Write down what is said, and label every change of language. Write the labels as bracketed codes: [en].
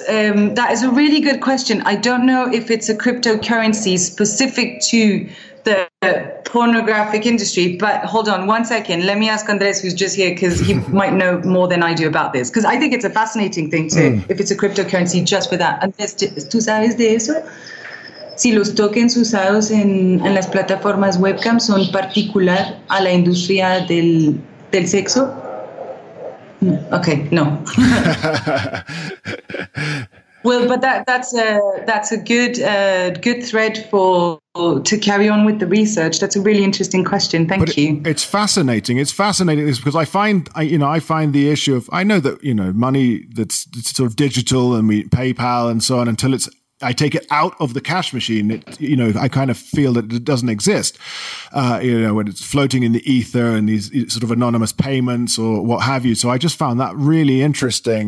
[en] That is a really good question. I don't know if it's a cryptocurrency specific to the pornographic industry, but hold on one second. Let me ask Andres, who's just here, because he might know more than I do about this, because I think it's a fascinating thing too, if it's a cryptocurrency just for that. [es] Andres, ¿tú sabes de eso? Si los tokens usados en las plataformas webcam son particular a la industria del sexo? [en] Okay, no. Well, but that's a good thread to carry on with the research. That's a really interesting question. Thank you. It's fascinating. It's fascinating because I find the issue of, I know that, you know, money that's sort of digital and we PayPal and so on, until it's, I take it out of the cash machine, it, you know, I kind of feel that it doesn't exist, you know, when it's floating in the ether and these sort of anonymous payments or what have you. So I just found that really interesting.